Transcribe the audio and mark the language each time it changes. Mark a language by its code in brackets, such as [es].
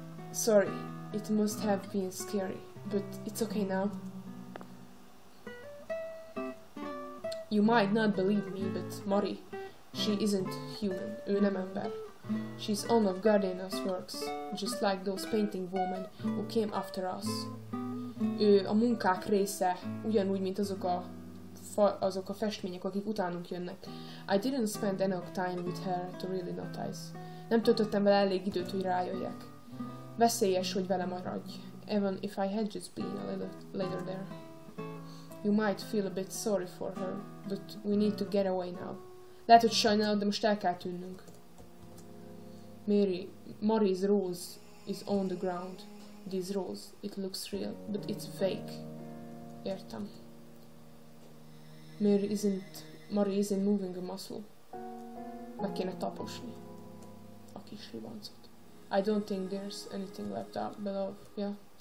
[en] Sorry, it must have been scary, but it's okay now. You might not believe me, but Mori, she isn't human, [hu] ő nem ember. [en] She's one of Gardena's works, just like those painting women who came after us. [hu] Ő a munkák része, ugyanúgy, mint azok a festmények, akik utánunk jönnek. [en] I didn't spend enough time with her to really notice. [hu] Nem töltöttem vele elég időt, hogy rájöjjek. Veszélyes, hogy vele maradj, [en] even if I had just been a little later there. You might feel a bit sorry for her, but we need to get away now. [hu] Lehet, hogy sajnálod, de most el kell tűnnünk. [en] Mary, Mori's rose is on the ground. This rose, it looks real, but it's fake. [hu] Értem. [en] Mari isn't moving a muscle. [hu] Meg kéne taposni a kis rivancot. [en] I don't think there's anything left out below, yeah?